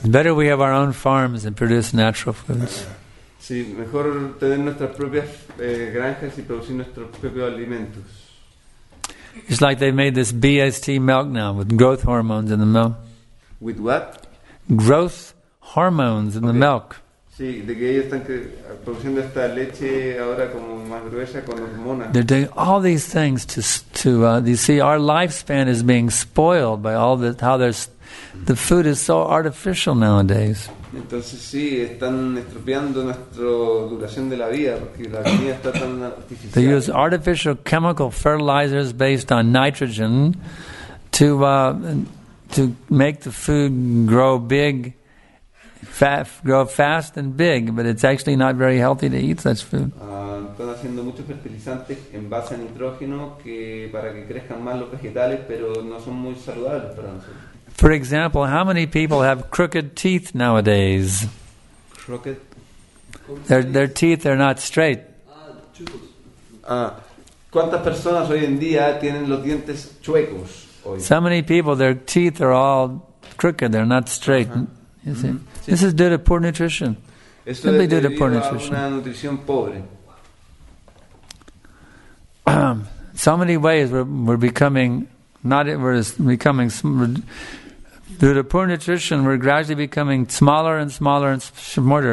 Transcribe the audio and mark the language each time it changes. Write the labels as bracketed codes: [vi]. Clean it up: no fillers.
[en] Better we have our own farms and produce natural foods. [es] Sí, mejor tener nuestras propias granjas y producir nuestros propios alimentos. [en] It's like they made this BST milk now with growth hormones in the milk. With what? Growth hormones in the milk. [es] Sí, de que ellos están produciendo esta leche ahora como más gruesa con hormonas. [en] They're doing all these things to you see, our lifespan is being spoiled by all the how there's the food is so artificial nowadays. [es] Entonces sí, están estropeando nuestra duración de la vida porque la comida está tan artificial. [en] They use artificial chemical fertilizers based on nitrogen to make the food grow big, grow fast and big, but it's actually not very healthy to eat such food. [es] Están haciendo muchos fertilizantes en base a nitrógeno que para que crezcan más los vegetales, pero no son muy saludables para nosotros. [en] For example, how many people have crooked teeth nowadays? Crooked? Their teeth are not straight. [es] ¿Cuántas personas hoy en día tienen los dientes chuecos? [en] So many people, their teeth are all crooked, they're not straight. Uh-huh. You see? Mm-hmm. This is due to poor nutrition. Simply due to poor nutrition. [es] Una nutrición pobre. [en] So many ways we're becoming due to poor nutrition, we're gradually becoming smaller and smaller and smarter.